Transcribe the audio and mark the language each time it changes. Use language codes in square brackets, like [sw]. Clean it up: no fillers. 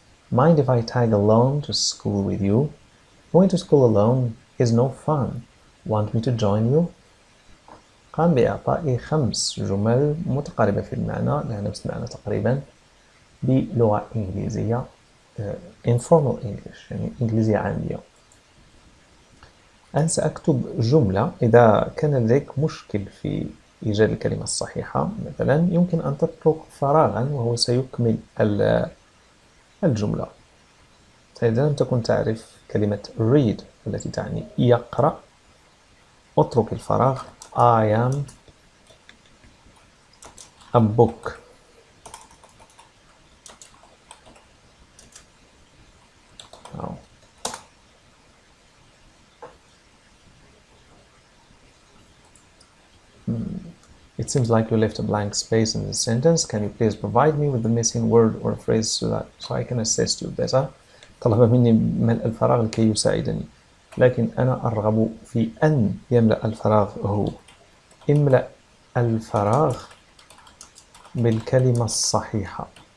[en] Mind if I tag along to school with you? Going to school alone is no fun. Want me to join you? [ar] قام بإعطائي خمس جمل متقاربة في المعنى لها نفس المعنى تقريبا بلغة إنجليزية [en] informal English [ar] يعني إنجليزية عامية. أنا سأكتب جملة. إذا كان لديك مشكل في إيجاد الكلمة الصحيحة مثلا يمكن أن تترك فراغا وهو سيكمل الجملة. إذا لم تكن تعرف كلمة read التي تعني يقرأ اترك الفراغ. [en] I am a book. It seems like you left a blank space in the sentence. Can you please provide me with the missing word or phrase so that so I can assist you better? [ar] طلب مني ملء الفراغ لكي يساعدني. لكن أنا أرغب في أن يملأ الفراغ هو. املأ الفراغ بالكلمة الصحيحة.